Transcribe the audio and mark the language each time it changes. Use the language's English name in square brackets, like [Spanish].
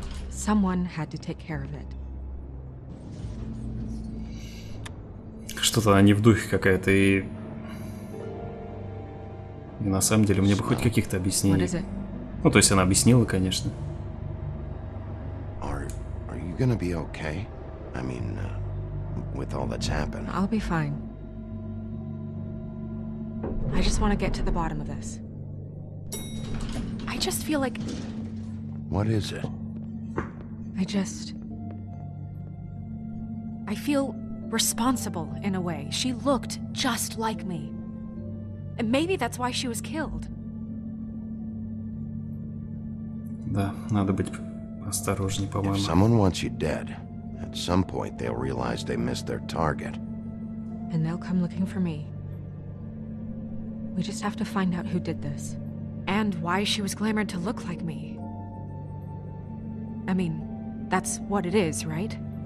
[English] Someone had to take care of it. [Russian] Что-то она не в духе какая-то, и... И на самом деле, мне бы хоть каких-то объяснений. Ну, то есть она объяснила, конечно. [English] Are you gonna be okay? I mean, with all that's happened. I'll be fine. I just want to get to the bottom of this. I just feel like... What is it? I feel... responsible in a way. She looked just like me. And maybe that's why she was killed. [Russian] Да, надо быть осторожнее, по-моему. [English] If someone wants you dead, at some point they'll realize they missed their target. And they'll come looking for me. We just have to find out who did this. And why she was glamored to look like me. I mean, that's what it is, right?